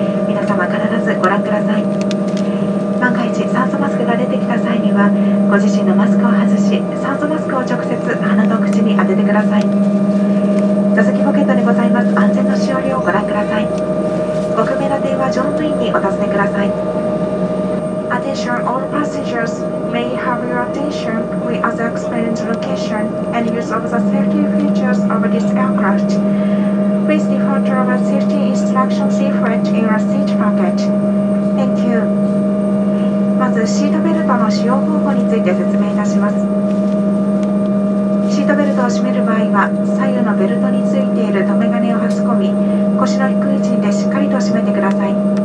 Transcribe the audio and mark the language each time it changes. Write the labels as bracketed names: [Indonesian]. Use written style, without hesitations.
[Japanese] 皆様必ずご覧ください。万が一酸素マスクが出てきた際にはご自身のマスクを外し酸素マスクを直接鼻と口に当ててください。座席ポケットにございます安全のしおりをご覧ください。ご不明な点は乗務員にお尋ねください。安 [English] Attention all passengers. May you have your attention. We are the explained location and use of the safety features of this aircraft. Please refer to our safety instructions leaflet in your seat pocket. Thank you. [Japanese] まずシートベルトの使用方法について説明いたします。シートベルトを締める場合は、左右のベルトについている留め金を挟み、腰の低い位置でしっかりと締めてください。